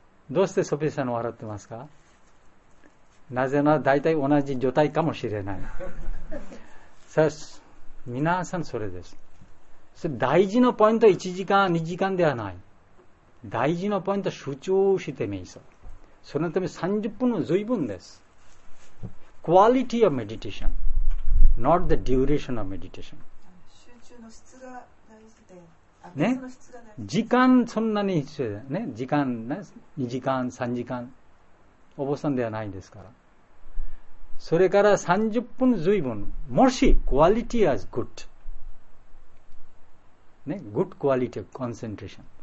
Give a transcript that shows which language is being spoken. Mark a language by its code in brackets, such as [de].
[ja] どうしてソピアさん笑ってますか？なぜなら大体同じ状態かもしれない。さあ皆さんそれです。それ大事なポイントは1時間2時間ではない。大事なポイントは集中して瞑想。そのため30分は随分です。 [en] Quality of meditation, not the duration of meditation. [ja] 集中の質が大事で、あ、ね、時間そんなに必要だね。時間ね、2時間、3時間、お坊さんではないですから。それから30分随分、もし [en] quality is good, ね、good quality of concentration.